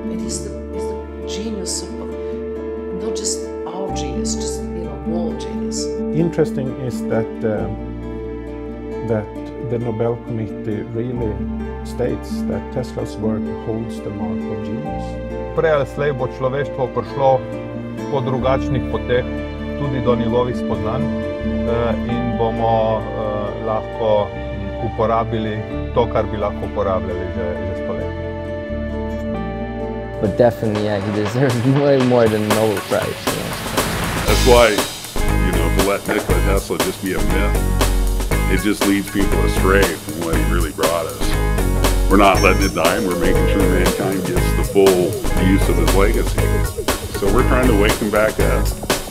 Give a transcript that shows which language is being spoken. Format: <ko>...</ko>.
<en>It's the genius of, not just our genius, just, you know, world genius. Interesting is that that the Nobel Committee really states that Tesla's work holds the mark of genius.</en> <sl>Pre ali slej bo človeštvo prišlo po drugačnih poteh tudi do njegovih spoznanj in bomo lahko uporabili to, kar bi lahko uporabljali že stoletja.</sl> <en>But definitely, yeah, he deserves way more than a Nobel Prize. Yeah. That's why, you know, to let Nikola Tesla just be a myth, it just leads people astray from what he really brought us. We're not letting it die, and we're making sure mankind gets the full use of his legacy. So we're trying to wake him back up.</en>